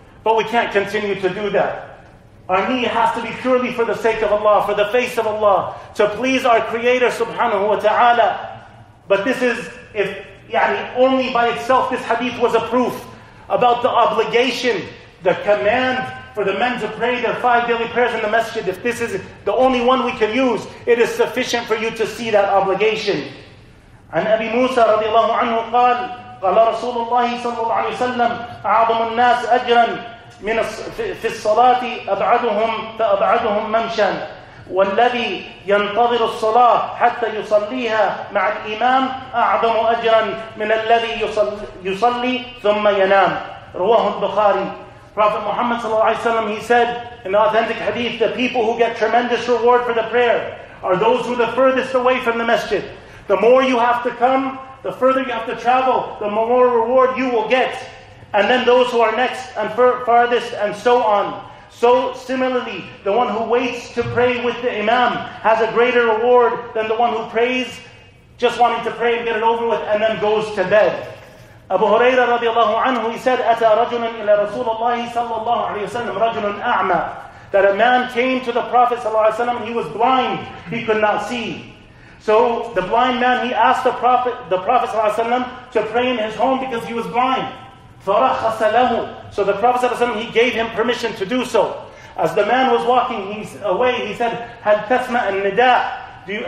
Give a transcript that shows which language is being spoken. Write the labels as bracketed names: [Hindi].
[English] But we can't continue to do that. Our knee has to be purely for the sake of Allah, for the face of Allah, to please our Creator subhanahu wa ta'ala. But this is, if yani only by itself, this hadith was a proof about the obligation, the command for the men to pray their five daily prayers in the masjid. If this is the only one we can use, it is sufficient for you to see that obligation. And Abi Musa radiallahu anhu qal, [Arabic] قال رسول الله صلى الله عليه وسلم أعظم الناس أجرا من في الصلاة أبعدهم فأبعدهم ممشا والذي ينتظر الصلاة حتى يصليها مع الإمام أعظم أجرا من الذي يصلي ثم ينام. رواه البخاري. [English] Prophet Muhammad [Arabic] صلى الله عليه وسلم, [English] he said in the authentic hadith, the people who get tremendous reward for the prayer are those who are the furthest away from the masjid. The more you have to come, the further you have to travel, the more reward you will get. And then those who are next and farthest and so on. So similarly, the one who waits to pray with the imam has a greater reward than the one who prays, just wanting to pray and get it over with, and then goes to bed. Abu Hurairah radiallahu anhu, he said, [Arabic] أتى رجل إلى رسول الله صلى الله عليه وسلم رجل أعمى. [English] That a man came to the Prophet [Arabic] صلى الله عليه وسلم, [English] he was blind, he could not see. So the blind man, he asked the Prophet ﷺ to pray in his home because he was blind. [Arabic] فَرَخَّصَ لَهُ. [English] So the Prophet ﷺ, he gave him permission to do so. As the man was walking away, he said, [Arabic] هَلْ تَسْمَعَ النِّدَاءَ.